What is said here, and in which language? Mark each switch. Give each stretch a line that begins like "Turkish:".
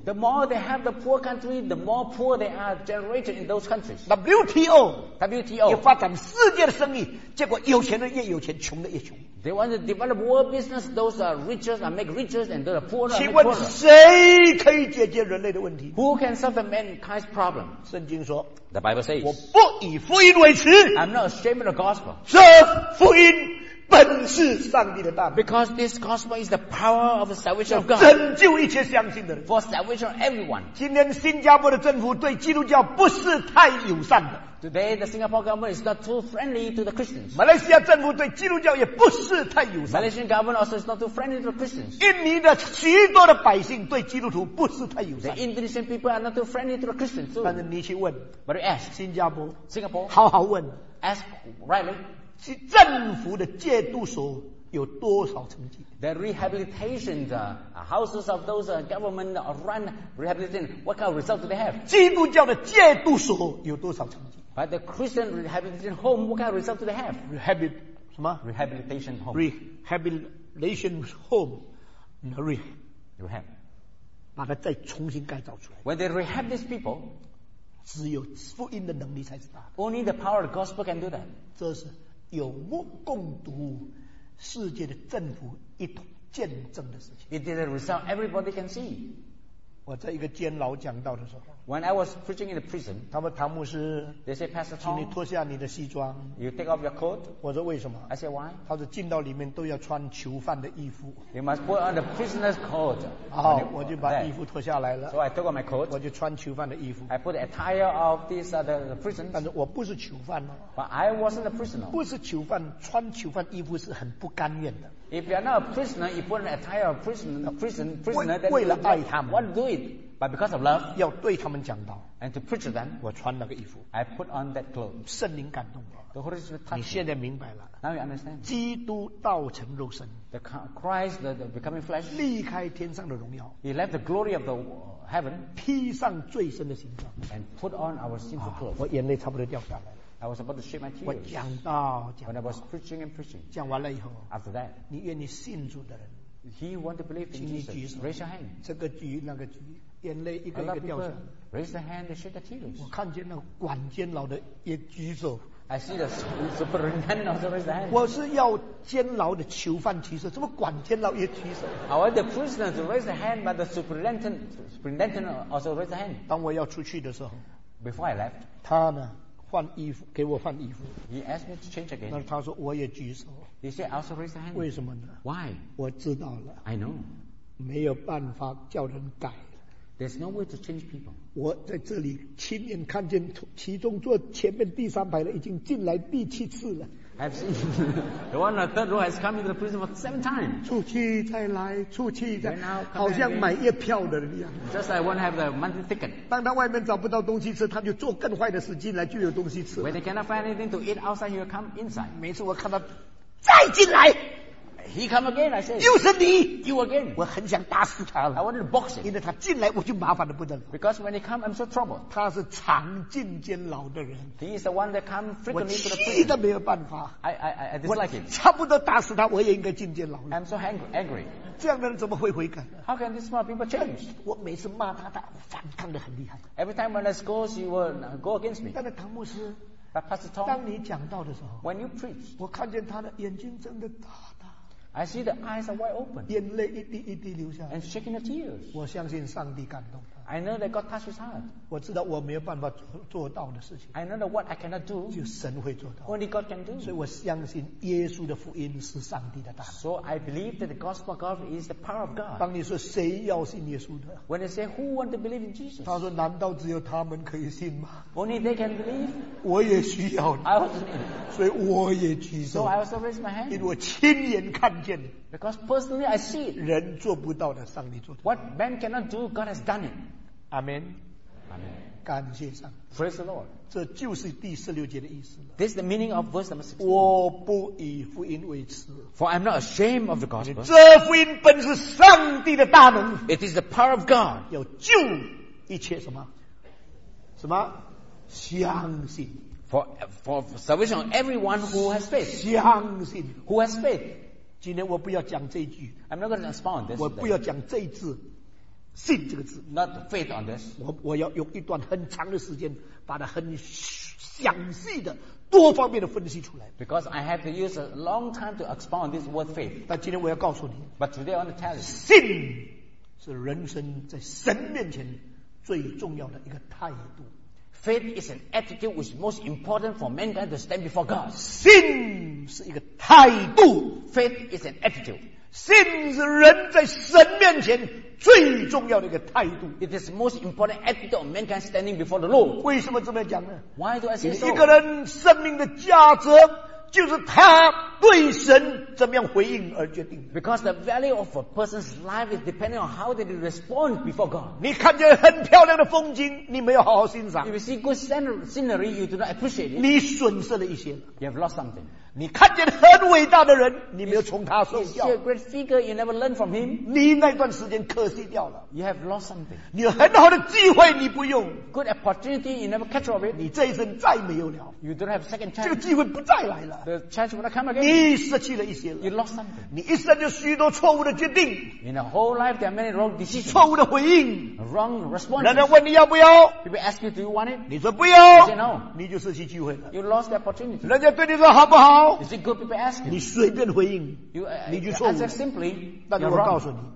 English: The more they help the poor country, the more poor they are generated in those countries. WTO
Chinese: 也发展世界的生意，结果有钱人越有钱，穷的越穷。
English: They want to develop world business. Those are richer and make richer, and those are poorer.
Chinese: 请问谁可以解决人类的问题？
English: Who can solve the mankind's problem?
Chinese: 圣经说。
English: The Bible says.
Chinese: 我不以福音为耻。
English: I'm not ashamed of the gospel.
Chinese: 这福音。本是上帝的大能,
English: because this gospel is the power of the salvation of God.
Chinese: 拯救一切相信的人,
English: for salvation of everyone.
Chinese: 今天新加坡的政府对基督教不是太友善的。
English: Today, the Singapore government is not too friendly to the Christians.
Chinese: 马来西亚政府对基督教也不是太友善。
English: Malaysian government also is not too friendly to the Christians.
Chinese: 印尼的许多的百姓对基督徒不是太友善。
English: The Indonesian people are not too friendly to the Christians too.
Chinese: 但是你去问,
English: but you ask,
Chinese: 新加坡,
English: Singapore,
Chinese: 好好问,
English: ask rightly.
Chinese: 政府的戒毒所有多少成绩？
English: The rehabilitation houses of those government run rehabilitation, what kind of result do they have?
Chinese: 基督教的戒毒所有多少成绩？
English: But the Christian rehabilitation home, what kind of result do they have? Rehabilitation home. Rehabilitation home. No, rehab.
Chinese: 把它再重新改造出来。
English: When they rehab these people,
Chinese: 只有福音的能力才是大。
English: Only the power of the gospel can do that.
Chinese: 这是 有目共睹，世界的政府一同见证的事情。
English: It is a result everybody can see.
Chinese: 我在一个监牢讲道的时候
English: ，When I was preaching in the prison，
Chinese: 他们唐牧师
English: ，They say Pastor Tom，
Chinese: 请你脱下你的西装
English: ，You take off your coat。
Chinese: 我说为什么
English: ？I say why？
Chinese: 他说进到里面都要穿囚犯的衣服
English: ，You must put on the prisoner's coat。
Chinese: 好，我就把衣服脱下来了
English: ，So I took off my coat。
Chinese: 我就穿囚犯的衣服
English: ，I put the attire of this the prison。
Chinese: 但是我不是囚犯哦
English: ，But I wasn't a prisoner。
Chinese: 不是囚犯，穿囚犯衣服是很不甘愿的。
English: If you are not a prisoner, you put an attire of prisoner, then
Chinese: 为了爱他们,
English: what do it? But because of love,
Chinese: 要对他们讲道,
English: and to preach to them,
Chinese: 我穿那个衣服,
English: I put on that clothes.
Chinese: 圣灵感动我,
English: the Holy Spirit touched
Chinese: me. 你现在明白了,
English: now you understand.
Chinese: 基督道成肉身,
English: the Christ, the becoming flesh,
Chinese: 离开天上的荣耀,
English: he left the glory of the heaven,
Chinese: 披上罪身的形状,
English: and put on our sinful clothes.
Chinese: 我眼泪差不多掉下来了。
English: I was about to shed my tears.
Chinese: 我讲道,
English: when I was preaching and preaching.
Chinese: 讲完了以后,
English: after that,
Chinese: 你愿意信主的人,
English: he want to believe in Jesus. Raise your hand.
Chinese: 这个举, 那个举, 眼泪一个一个掉下,
English: raise the hand and shed the tears.
Chinese: 我看见那个管监牢的也举手,
English: I see the superintendent also raise the hand.
Chinese: 我是要监牢的囚犯举手, 怎么管监牢也举手?
English: I want the prisoner to raise the hand, but the superintendent also raise the hand.
Chinese: 当我要出去的时候,
English: before I left,
Chinese: 他呢, 换衣服, 给我换衣服,
English: he asked me to change again.
Chinese: 但是他说我也举手,
English: he said I also raise the hand.
Chinese: 为什么呢?
English: Why?
Chinese: 我知道了,
English: I know.
Chinese: 没有办法叫人改,
English: There's no way to change people.
Chinese: 我在这里亲眼看见其中坐前面第三排的已经进来第七次了。
English: I've seen the one on the third row has come into the prison for 7 times.
Chinese: 出去再来，出去再来，好像买月票的人一样。
English: Just like one have the monthly ticket.
Chinese: 当他外面找不到东西吃，他就做更坏的事，进来就有东西吃。
English: When they cannot find anything to eat outside, he'll come inside.
Chinese: 每次我看他再进来。
English: He come again, I said.
Chinese: 又是你
English: ，You again.
Chinese: 我很想打死他了。
English: I wanted to box him.
Chinese: 因为他进来我就麻烦的不得了。
English: Because when he come, I'm so troubled.
Chinese: 他是常进监牢的人。
English: He is the one that come frequently to the prison.
Chinese: 我气得没有办法。
English: I dislike him.
Chinese: 差不多打死他，我也应该进监牢。
English: I'm so angry.
Chinese: 这样的人怎么会悔改
English: ？How can these smart people change?
Chinese: 我每次骂他，他反抗的很厉害。
English: Every time when I scold, he will go against me.
Chinese: 但是唐牧师。
English: But Pastor Tom,
Chinese: 当你讲道的时候
English: ，When you preach,
Chinese: 我看见他的眼睛睁得大。
English: I see the eyes are wide open.
Chinese: 眼泪一滴一滴流下来。
English: And shaking the tears.
Chinese: 我相信上帝感动他。
English: I know that God touched his heart.
Chinese: 我知道我没有办法做到的事情。
English: I know that what I cannot do.
Chinese: 就神会做到。
English: Only God can do.
Chinese: 所以我相信耶稣的福音是上帝的大能。
English: So I believe that the gospel of God is the power of God.
Chinese: 当你说谁要信耶稣的
English: ？When they say who want to believe in Jesus?
Chinese: 他说难道只有他们可以信吗
English: ？Only they can believe.
Chinese: 我也需要你。
English: I also need.
Chinese: 所以我也举手。
English: So I also raise my hand.
Chinese: 因为我亲眼看见。
English: Because personally I see.
Chinese: 人做不到的，上帝做到。
English: What man cannot do, God has done it. Amen. Amen.
Chinese: 感谢上
English: 帝。Praise the Lord.
Chinese: 这就是第十六节的意思。
English: This is the meaning of verse number 16.
Chinese: 我不以福音为耻。
English: For I'm not ashamed of the gospel.
Chinese: 这福音本是上帝的大能。
English: It is the power of God.
Chinese: 要救一切什么？什么？相信。
English: For salvation of everyone who has faith.
Chinese: 相信。
English: Who has faith.
Chinese: 今天我不要讲这一句。
English: I'm not going to respond this.
Chinese: 我不要讲这一字。信这个字
English: ，not faith on this
Chinese: 我要用一段很长的时间，把它很详细的多方面的分析出来。
English: Because I have to use a long time to expound this word faith.
Chinese: 但今天我要告诉你
English: ，but today I want to tell you，
Chinese: 信是人生在神面前最重要的一个态度。
English: Faith is an attitude which is most important for mankind to stand before God.
Chinese: 信是一个态度
English: ，faith is an attitude。
Chinese: 信是人在神面前最重要的一个态度。
English: It is the most important attitude of mankind standing before the Lord.
Chinese: 为什么这么讲呢
English: ？Why do I say so？
Chinese: 一个人生命的价值就是他对神怎么样回应而决定。
English: Because the value of a person's life is depending on how they respond before God.
Chinese: 你看见很漂亮的风景，你没有好好欣赏。
English: If you see good scenery, you do not appreciate it.
Chinese: 你损失了一些。
English: You have lost something.
Chinese: 你看见很伟大的人，你没有从他受教。
English: You see a great figure, you never learn from him.
Chinese: 你那段时间可惜掉了。
English: You have lost something.
Chinese: 你有很好的机会，你不用。
English: Good opportunity, you never catch of it.
Chinese: 你这一生再没有了。
English: You don't have a second chance.
Chinese: 这个机会不再来了。
English: The chance will not come again.
Chinese: 你失去了一些了。
English: You lost something.
Chinese: 你一生就许多错误的决定。
English: In a whole life, there are many wrong decisions.
Chinese: 错误的回应。
English: Wrong response.
Chinese: 人家问你要不要
English: ？People ask you, do you want it?
Chinese: 你说不要。
English: You say no.
Chinese: 你就失去机会了。
English: You lost the opportunity.
Chinese: 人家对你说好不好？
English: Is it good people ask you?
Chinese: 你随便回应 你就错误
English: answer simply,
Chinese: 但我告诉你